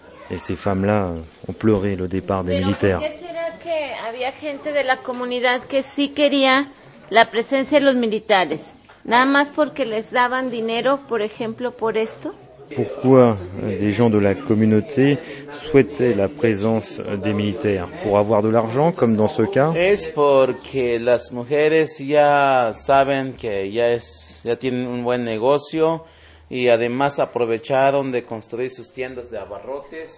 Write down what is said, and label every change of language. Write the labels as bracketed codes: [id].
[fr] Et ces femmes-là ont pleuré le départ des militaires. [es] Había gente de la comunidad que sí quería la presencia de los militares, nada más porque les daban dinero, por ejemplo, por esto. [fr] Pourquoi des gens de la communauté souhaitaient la présence des militaires? Pour avoir de l'argent, comme dans ce cas? [es] Es porque las mujeres ya saben que ya tienen un buen negocio. Y además aprovecharon de construir sus tiendas de abarrotes.